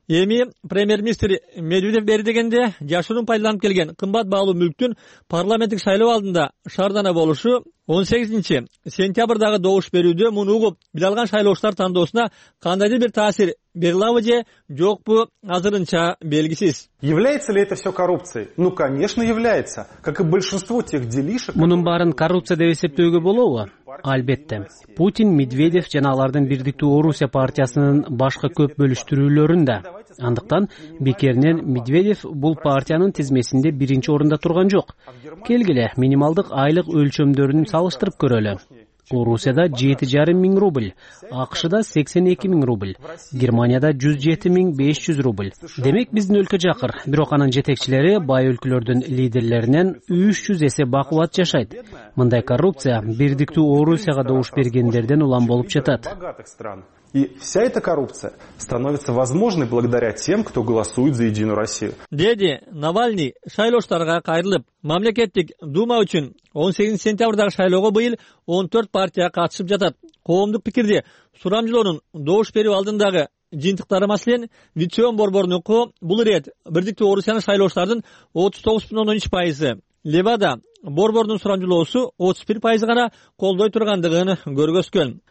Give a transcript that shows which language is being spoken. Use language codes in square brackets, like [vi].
[ky] Эми премьер-министр Медведев бери дегенде жашыруун пайдаланып келген кымбат баалуу мүлктүн парламенттик шайлоо алдында шаардана болушу 18 сентябрдагы добуш берүүдө муну угуп биле алган шайлоочулар тандоосуна кандайдыр бир таасир берилаабы же жокпу азырынча белгисиз. [ru] Является ли это все коррупцией? Ну, конечно, является. Как и большинство тех делишек. [ky] Мунун баарын коррупция деп эсептөөгө болобу? Албетте. Путин, Медведев жана алардын бирдиктүү Орусия партиясынын башка көп бөлүштүрүүлөрүн да. Андыктан бекеринен Медведев бул партиянын тизмесинде биринчи орунда турган жок. Келгиле минималдык айлык өлчөмдөрүн салыштырып көрөлү. Орусияда 7,5 миң рубль, АКШ-да 82 миң рубль, Германияда 107 500 рубль. Демек биздин өлкө жакыр, бирок анын жетекчилери бай өлкөлөрдүн лидерлеринен 300 эсе бакуват жашайт. Мындай коррупция бирдиктүү Орусияга добуш бергендерден улам болуп жатат. [ru] И вся эта коррупция становится возможной благодаря тем, кто голосует за Единую Россию. [ky] Деди Навальный шайлоочуларга кайрылып, мамлекеттик дума үчүн 18 сентябрдагы шайлоого быйыл 14 партия катышып жатат. Коомдук пикирди сурамжылоонун добуш берүү алдындагы жыйынтыктары маселен Витион борборунуку бул ирет бирдиктүү Орусиянын шайлоочулардын 39.13%, Левада борборунун сурамжылоосу 31% гана колдой тургандыгын көргөзгөн.